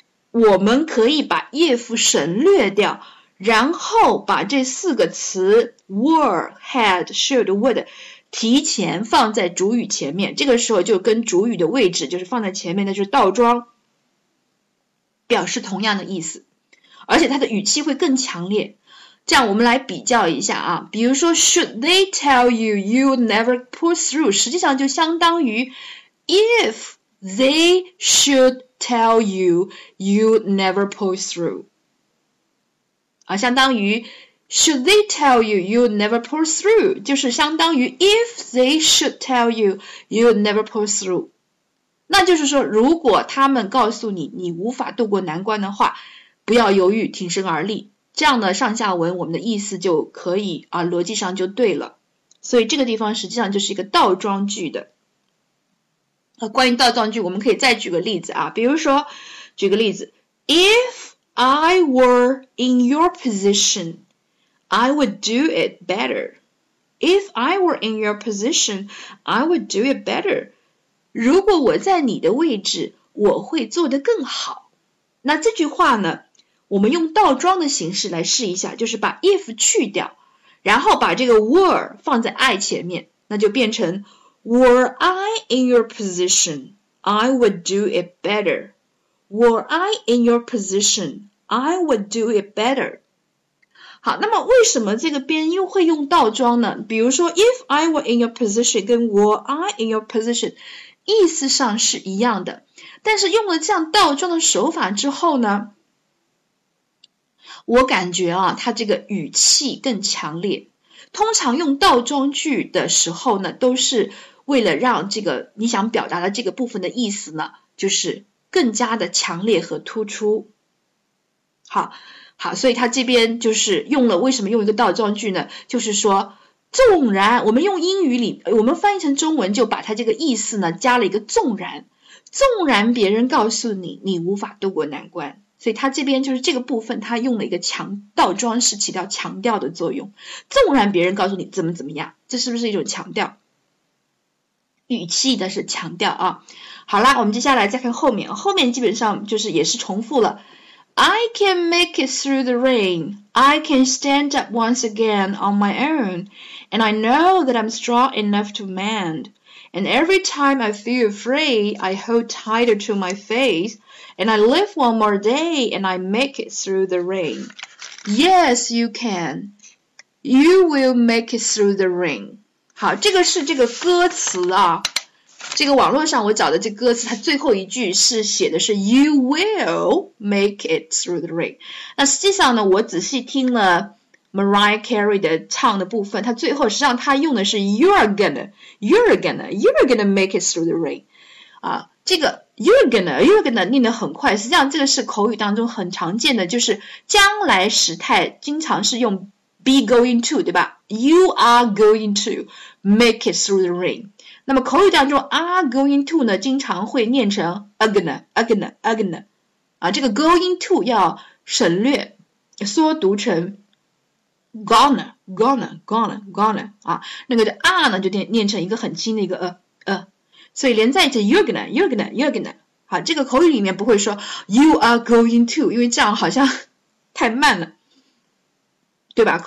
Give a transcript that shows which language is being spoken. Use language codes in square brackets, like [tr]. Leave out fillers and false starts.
[zh] 我们可以把 if 省略掉，然后把这四个词 were, had, should, would 提前放在主语前面，这个时候就跟主语的位置就是放在前面的，就是倒装，表示同样的意思，而且它的语气会更强烈。这样我们来比较一下啊，比如说 [en] should they tell you you never pull through， [zh] 实际上就相当于 [en] if they shouldTell you, you never pull through. 啊，相当于 should they tell you, you never pull through， [zh] 就是相当于 [en] if they should tell you, you never pull through。 [zh] 那就是说，如果他们告诉你你无法渡过难关的话，不要犹豫，挺身而立。这样的上下文，我们的意思就可以啊，逻辑上就对了。所以这个地方实际上就是一个倒装句的。关于倒装句，我们可以再举个例子啊，比如说，举个例子 ， [en] If I were in your position, I would do it better. If I were in your position, I would do it better. [zh] 如果我在你的位置，我会做得更好。那这句话呢，我们用倒装的形式来试一下，就是把 if 去掉，然后把这个 were 放在 I 前面，那就变成 [en] Were I in your position, I would do it better. Were I in your position, I would do it better. [zh] 好，那么为什么这个边又会用倒装呢？比如说 [en] if I were in your position [zh] 跟 [en] were I in your position [zh] 意思上是一样的，但是用了这样倒装的手法之后呢，我感觉啊，它这个语气更强烈。通常用倒装句的时候呢，都是为了让这个你想表达的这个部分的意思呢，就是更加的强烈和突出。好，好，所以他这边就是用了，为什么用一个倒装句呢？就是说，纵然我们用英语里，我们翻译成中文就把他这个意思呢加了一个纵然，纵然别人告诉你你无法渡过难关，所以他这边就是这个部分，他用了一个强倒装是起到强调的作用。纵然别人告诉你怎么怎么样，这是不是一种强调？语气的是强调啊。好啦，我们接下来再看后面，后面基本上就是也是重复了。 [en] I can make it through the rain. I can stand up once again on my own. And I know that I'm strong enough to mend. And every time I feel afraid, I hold tighter to my faith. And I live one more day and I make it through the rain. Yes, you can. You will make it through the rain. [zh] 好，这个是这个歌词啊，这个网络上我找的这歌词，它最后一句是写的是 [en] You will make it through the rain。 [zh] 那实际上呢，我仔细听了 Mariah Carey 的唱的部分，它最后实际上它用的是 [en] You're gonna make it through the rain [zh] 啊，这个 You're gonna 念得很快，实际上这个是口语当中很常见的，就是将来时态经常是用 [en] be going to, [zh] 对吧 [en] ?You are going to make it through the rain. [zh] 那么口语当中 are going to 呢经常会念成 agna,agna,agna。啊这个 going to 要省略缩读成 gonna,gonna,gonna,gonna, 啊那个的 are 呢就念成一个很轻的一个 所以连在一起 [en] you're gonna, [zh] 好，这个口语里面不会说 [en] you are going to, [zh] 因为这样好像太慢了，对吧？